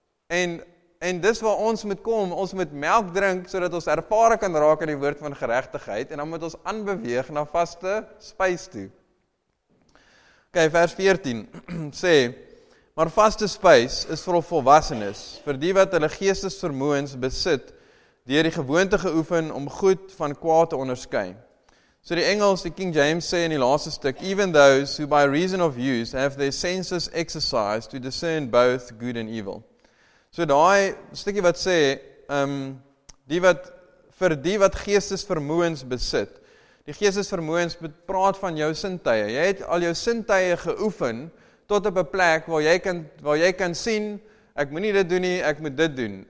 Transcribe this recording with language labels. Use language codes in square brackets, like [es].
[af] En dis waar ons moet kom, ons moet melk drink, sodat ons ervare kan raak in die woord van geregtigheid, en dan moet ons aanbeweeg na vaste spys toe. Ok, vers 14 sê, maar vaste spys is vir volwassenes, vir die wat hulle geestesvermoëns besit, deur die gewoonte geoefen om goed van kwaad te onderskei. So die Engels, die King James sê in die laaste stuk, [en] even those who by reason of use have their senses exercised to discern both good and evil. [af] So daai stukkie wat sê, vir die wat geestesvermoëns besit, die geestesvermoëns praat van jou sintuie, jy het al jou sintuie geoefen, tot op 'n plek waar jy kan sien, ek moenie dit doen nie, ek moet dit doen.